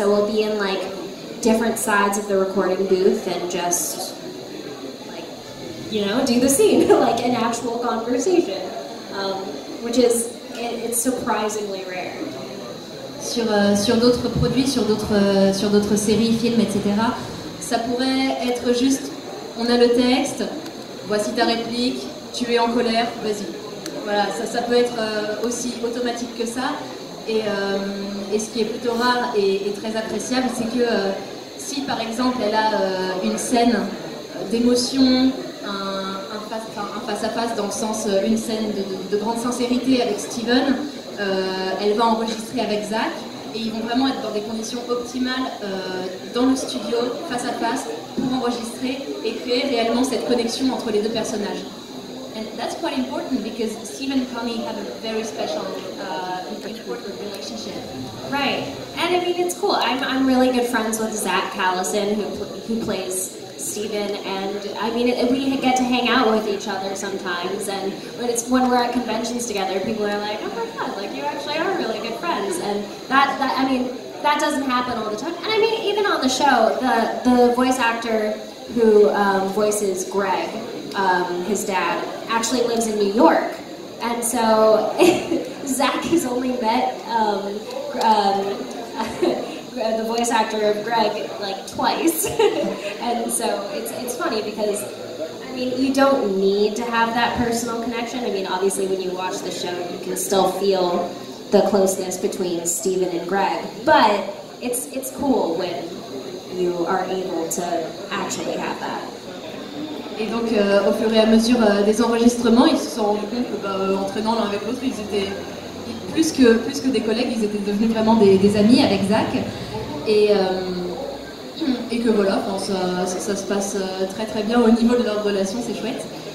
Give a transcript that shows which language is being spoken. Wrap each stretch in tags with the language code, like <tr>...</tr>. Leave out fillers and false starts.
<en>So we'll be in like different sides of the recording booth and just like, you know, do the scene, like an actual conversation, which is surprisingly rare.</en> <fr>Sur d'autres produits, sur d'autres séries, films, etc., ça pourrait être juste, on a le texte, voici ta réplique, tu es en colère, vas-y. Voilà, ça peut être aussi automatique que ça. Et ce qui est plutôt rare et très appréciable, c'est que si par exemple elle a une scène d'émotion, un face-à-face dans le sens une scène de grande sincérité avec Steven, elle va enregistrer avec Zach et ils vont vraiment être dans des conditions optimales dans le studio, face-à-face, pour enregistrer et créer réellement cette connexion entre les deux personnages.</fr> <en>And that's quite important because Steven and Connie have a very special important relationship. Right. And I mean, it's cool. I'm really good friends with Zach Callison, who plays Steven. And I mean, we get to hang out with each other sometimes. And when we're at conventions together, people are like, oh my god, like you actually are really good friends. And that doesn't happen all the time. And I mean, even on the show, the voice actor who voices Greg, his dad, actually lives in New York, and so Zach has only met the voice actor of Greg like twice, and so it's funny because I mean you don't need to have that personal connection. I mean obviously when you watch the show you can still feel the closeness between Steven and Greg, but it's cool when you are able to actually have that.</en> <fr>Et donc, au fur et à mesure des enregistrements, ils se sont rendus compte que, en traînant l'un avec l'autre, ils étaient plus que des collègues, ils étaient devenus vraiment des amis avec Zach. Et que voilà, enfin, ça se passe très très bien au niveau de leur relation, c'est chouette.</fr>